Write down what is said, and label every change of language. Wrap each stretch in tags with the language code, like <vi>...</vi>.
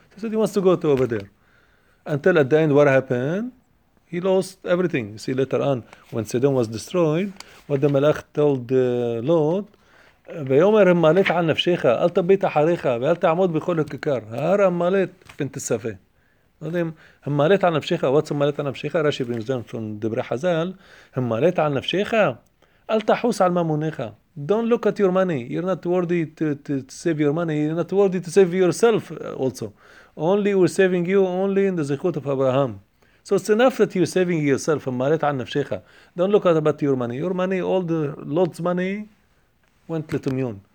<en>He said, he wants to go to over there. Until at the end, what happened? He lost everything. You see, later on, when Sodom was destroyed, what the Malach told Lot,</en> <he>ויאמר המלט על נפשך, אל תביט אחריך, ואל תעמוד בכל הכיכר. הר המלט, פן תספה. לא יודעים, המלט על נפשך,</he> <en>what's</en> <he>המלט על נפשך?</he> <en>רשי ברינס דן,</en> <he>פון דברי חזל, המלט על נפשך, אל תחוס על ממונך.</he> <en>Don't look at your money. You're not worthy to save your money. You're not worthy to save yourself also. Only we're saving you only in the zikhut of Abraham. So it's enough that you're saving yourself.</en> <he>המלט על נפשך.</he> <en>Don't look about your money. Your money, all the Lord's money, went to Tumyon.</en>